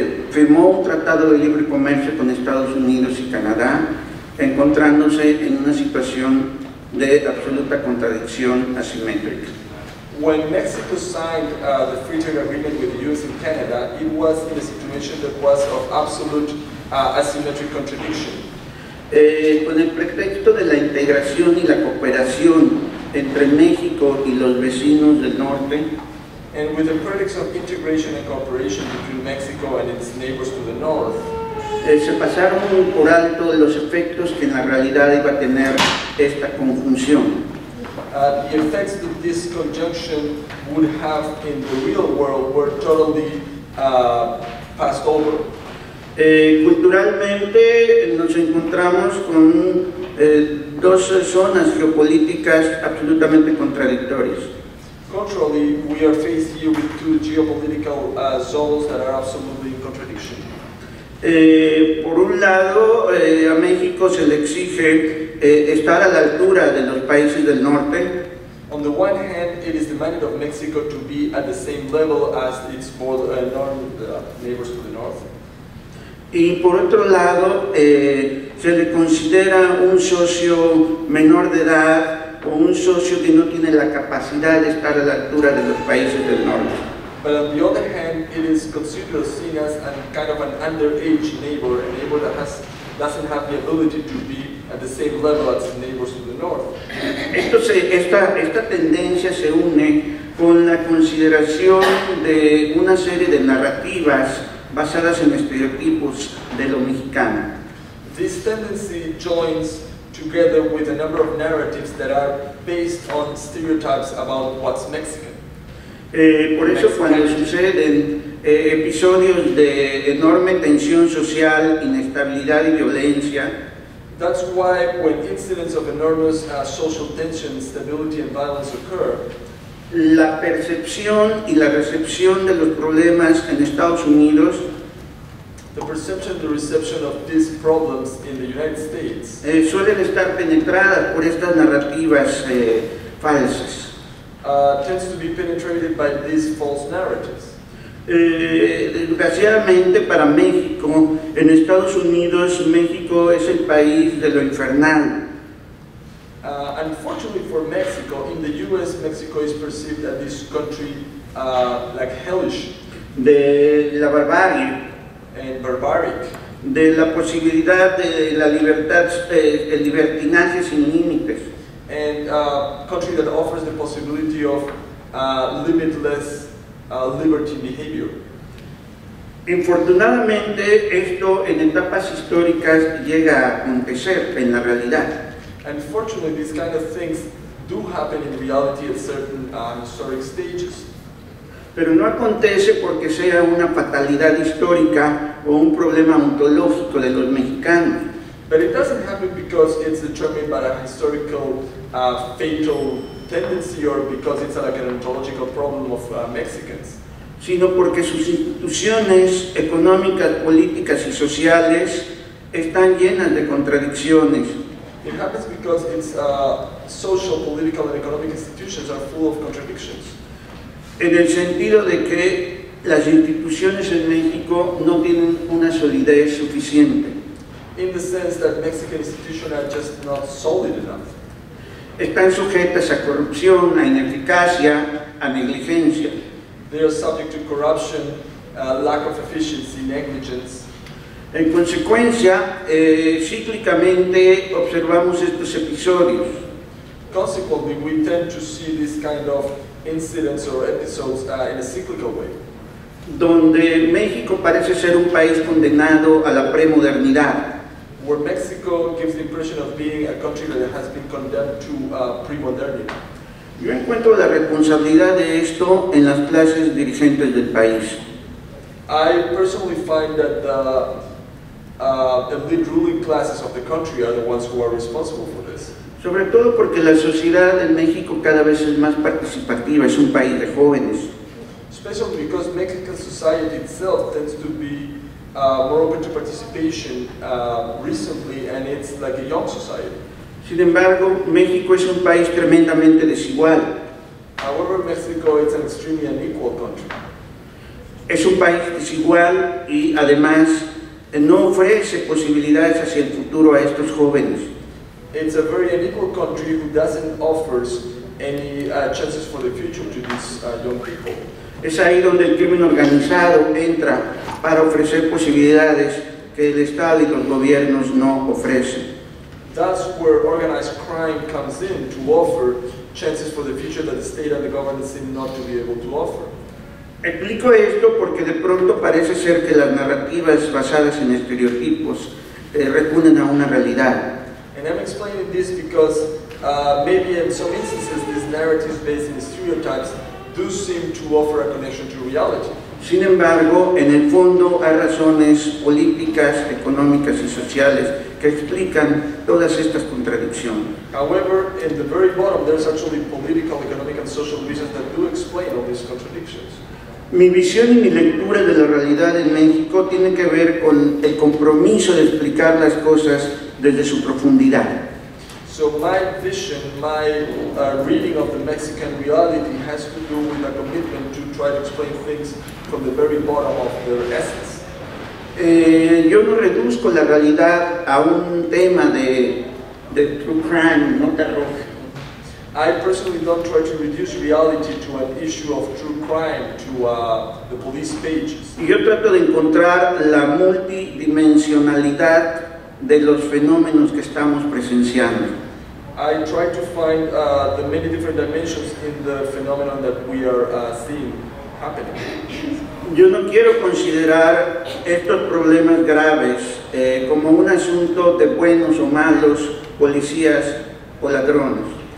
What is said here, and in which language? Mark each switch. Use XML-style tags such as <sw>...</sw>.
<es>Firmó un tratado de libre comercio con Estados Unidos y Canadá encontrándose en una situación de absoluta contradicción asimétrica.</es> <en>When Mexico signed the free trade agreement with the US and Canada, it was in a situation that was of absolute asymmetric contradiction.</en> <es>Con el pretexto de la integración y la cooperación entre México y los vecinos del norte,</es> <en>and with the pretext of integration and cooperation between Mexico and its neighbors to the north,</en> <es>se pasaron por alto de los efectos que en la realidad iba a tener esta conjunción.</es> <en>The effects that this conjunction would have in the real world were totally passed over.</en> <es>Culturalmente nos encontramos con dos zonas geopolíticas absolutamente contradictorias.</es> <en>Culturally, we are faced here with two geopolitical zones that are absolutely in contradiction.</en> <es>Por un lado, a México se le exige estar a la altura de los países del norte.</es> <en>On the one hand, it is demanded of Mexico to be at the same level as its more neighbors to the north.</en> <es>Y por otro lado, se le considera un socio menor de edad o un socio que no tiene la capacidad de estar a la altura de los países del norte.</es> <en>But on the other hand, it is considered seen as a kind of an underage neighbor, a neighbor that doesn't have the ability to be at the same level as the neighbors to the north.</en> <es>Esta tendencia se une con la consideración de una serie de narrativas basadas en estereotipos de lo mexicano.</es> <en>This tendency joins together with a number of narratives that are based on stereotypes about what's Mexican.</en> <es>Por eso cuando suceden episodios de enorme tensión social, inestabilidad y violencia,</es> <en>that's why when incidents of enormous social tension, stability and violence occur,</en> <es>la percepción y la recepción de los problemas en Estados Unidos,</es> <en>the perception and the reception of these problems in the United States,</en> <es>suelen estar penetradas por estas narrativas falsas.</es> <en>Tends to be penetrated by these false narratives.</en> <es>Desgraciadamente para México, en Estados Unidos, México es el país de lo infernal.</es> <en>Unfortunately for Mexico, in the US, Mexico is perceived as this country like hellish.</en> <es>De la barbarie.</es> <en>And barbaric.</en> <es>De la posibilidad de la libertad, el libertinaje sin límites.</es> <en>And a country that offers the possibility of limitless liberty behavior.</en> <es>Infortunadamente, esto en etapas históricas llega a acontecer en la realidad.</es> <en>Unfortunately, these kind of things do happen in reality at certain historic stages.</en> <es>Pero no acontece porque sea una fatalidad histórica o un problema ontológico de los mexicanos.</es> <en>But it doesn't happen because it's determined by a historical fatal tendency or because it's like an ontological problem of Mexicans.</en> <es>Sino porque sus instituciones económicas, políticas y sociales están llenas de contradicciones.</es> <en>It happens because its social, political and economic institutions are full of contradictions.</en> <es>En el sentido de que las instituciones en México no tienen una solidez suficiente.</es> <en>In the sense that Mexican institutions are just not solid enough.</en> <es>Están sujetas a corrupción, a ineficacia, a negligencia.</es> <en>They are subject to corruption, lack of efficiency, negligence.</en> <es>En consecuencia, cíclicamente observamos estos episodios.</es> <en>Consequently, we tend to see this kind of incidents or episodes in a cyclical way.</en> <es>Donde México parece ser un país condenado a la premodernidad.</es> <en>Where Mexico gives the impression of being a country that has been condemned to pre-modernity.</en> <es>Yo encuentro la responsabilidad de esto en las clases dirigentes del país.</es> <en>I personally find that the elite ruling classes of the country are the ones who are responsible for this.</en> <es>Sobre todo porque la sociedad en México cada vez es más participativa, es un país de jóvenes.</es> <en>Especially because Mexican society itself tends to be more open to participation recently, and it's like a young society.</en> <es>Sin embargo, México es un país tremendamente desigual.</es> <en>However, Mexico is an extremely unequal country.</en> <es>Es un país desigual y además no ofrece posibilidades hacia el futuro a estos jóvenes.</es> <en>It's a very unequal country who doesn't offer any chances for the future to these young people.</en> <es>Es ahí donde el crimen organizado entra para ofrecer posibilidades que el Estado y los gobiernos no ofrecen.</es> <en>That's where organized crime comes in to offer chances for the future that the state and the government seem not to be able to offer.</en> <es>Explico esto porque de pronto parece ser que las narrativas basadas en estereotipos repugnan a una realidad.</es> <en>And I'm explaining this because maybe in some instances these narratives based in stereotypes do seem to offer a connection to reality.</en> <es>Sin embargo, en el fondo hay razones políticas, económicas y sociales que explican todas estas contradicciones.</es> <en>However, in the very bottom, there's actually political, economic, and social reasons that do explain all these contradictions.</en> <es>Mi visión y mi lectura de la realidad en México tiene que ver con el compromiso de explicar las cosas desde su profundidad.</es> <en>So my vision, my reading of the Mexican reality has to do with a commitment to try to explain things from the very bottom of their essence.</en> <es>Yo no reduzco la realidad a un tema de true crime, no terror.</es> <en>I personally don't try to reduce reality to an issue of true crime, to the police pages.</en> <es>Y yo trato de encontrar la multidimensionalidad de los fenómenos que estamos presenciando.</es> <en>I try to find the many different dimensions in the phenomenon that we are seeing happening.</en> <es>Yo no quiero considerar estos problemas graves como un asunto de buenos o malos, policías o ladrones.</es>